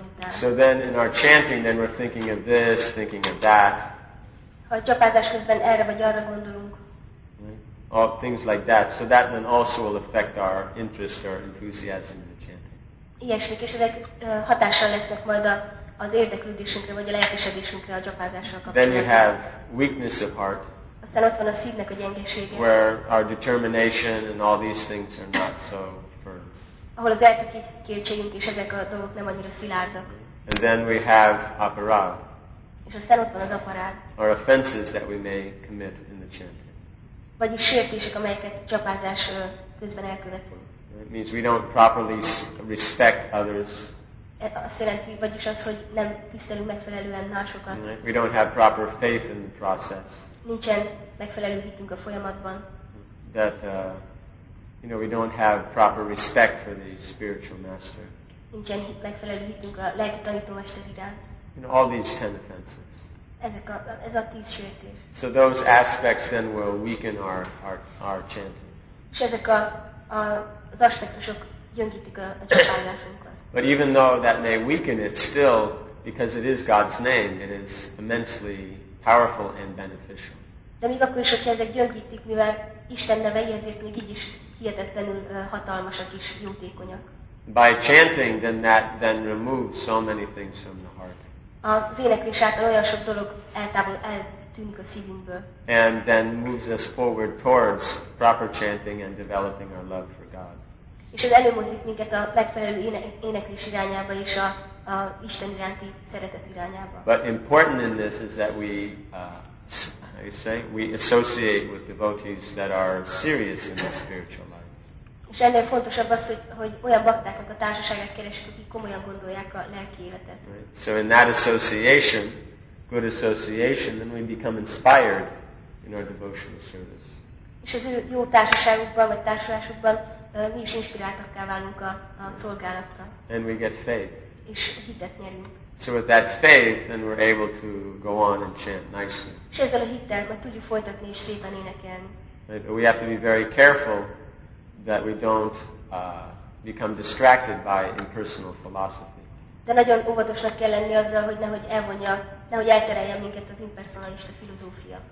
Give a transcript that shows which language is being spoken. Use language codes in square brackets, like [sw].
[en] So then in our chanting, then we're thinking of this, thinking of that. [hu] Ha a csapázás közben erre vagy arra gondolunk. [en] all things like that. So that then also will affect our interest or enthusiasm in the chanting. [hu] Ilyesmik, és ezek hatással lesznek majd az érdeklődésünkre, vagy a lelkesedésünkre a gyakorlással kapcsolatban. [en] Then you have weakness of heart. [hu] Aztán ott van a szívnek a gyengesége. [en] Where our determination and all these things are not so firm. [hu] Ahol az elkötelezettségünk és ezek a dolgok nem annyira szilárdak. [en] And then we have aparád. [hu] És aztán ott van az aparád. [en] Our offenses that we may commit in the chanting. [hu] Vagyis sértések, amelyeket csapázás közben elkövetünk. [en] It means we don't properly respect others. [hu] Azt jelenti, vagyis az, hogy nem tisztelünk megfelelően másokat. [en] We don't have proper faith in the process. [hu] Nincsen megfelelő hitünk a folyamatban. [en] That you know, we don't have proper respect for the spiritual master. [hu] Nincsen megfelelő hitünk a lelki tanítómester iránt. [en] And all these ten offenses. [hu] Ez a tíz sértés. [en] So those aspects then will weaken our chanting. [hu] És ezek az aspektusok gyöngítik a csapálásunkat. [en] But even though that may weaken it, still, because it is God's name, it is immensely powerful and beneficial. [hu] De még akkor is, hogyha ezek gyöngítik, mivel Isten neve, ezért még így is hihetetlenül hatalmasak és jótékonyak. [en] By chanting, then that then removes so many things from the heart. [hu] Az éneklés által olyan sok dolog eltűnik a szívünkből. [en] And then moves us forward towards proper chanting and developing our love for God. [hu] És ez előmozdít minket a megfelelő éneklés irányába és a Isten iránti szeretet irányába. [en] But important in this is that we, how you say, we associate with devotees that are serious in the spiritual life. [hu] És ennél fontosabb az, hogy olyan baktákat a társaságát keresik, akik komolyan gondolják a lelki életet. [en] Right. So in that association, good association, then we become inspired in our devotional service. [hu] És az ő jó társaságukban vagy társulásukban mi is inspiráltakká válunk a szolgálatra. [en] And we get faith. [hu] És hitet nyerünk. [en] So with that faith, then we're able to go on and chant nicely. [hu] És ezzel a hittel majd tudjuk folytatni és szépen énekelni. [en] Right, but we have to be very careful that we don't become distracted by impersonal philosophy. [hu] De nagyon óvatosnak kell lenni azzal, hogy nehogy elvonja, nehogy elterelje minket az impersonalista filozófia.